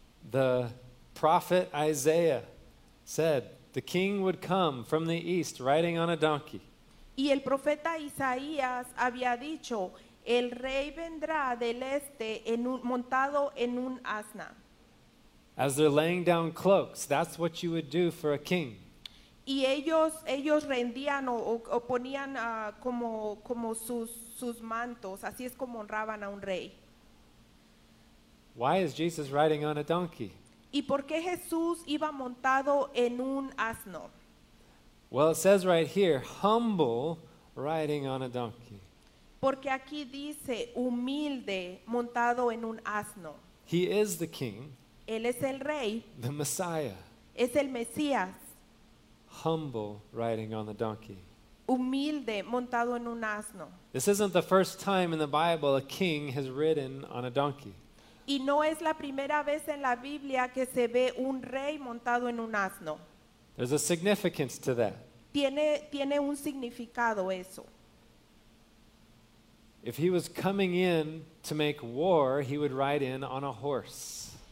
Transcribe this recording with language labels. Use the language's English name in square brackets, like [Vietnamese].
[English] The prophet Isaiah said the king would come from the east riding on a donkey. [Spanish] Y el profeta Isaías había dicho, el rey vendrá del este montado en un asna. [English] As they're laying down cloaks, that's what you would do for a king. [Spanish] Y ellos rendían o ponían como sus mantos. Así es como honraban a un rey. [English] Why is Jesus riding on a donkey? [Spanish] ¿Y por qué Jesús iba montado en un asno? [English] Well, it says right here, humble riding on a donkey. [Spanish] Porque aquí dice humilde montado en un asno. [English] He is the king. [Spanish] Él es el rey. [English] The Messiah. [Spanish] Es el Mesías. [English] Humble riding on a donkey. [Spanish] Humilde montado en un asno. [English] This isn't the first time in the Bible a king has ridden on a donkey. [Spanish] Y no es la primera vez en la Biblia que se ve un rey montado en un asno. [English] There's a significance to that. [Spanish] Tiene un significado eso. [English] If he was coming in to make war, he would ride in on a horse.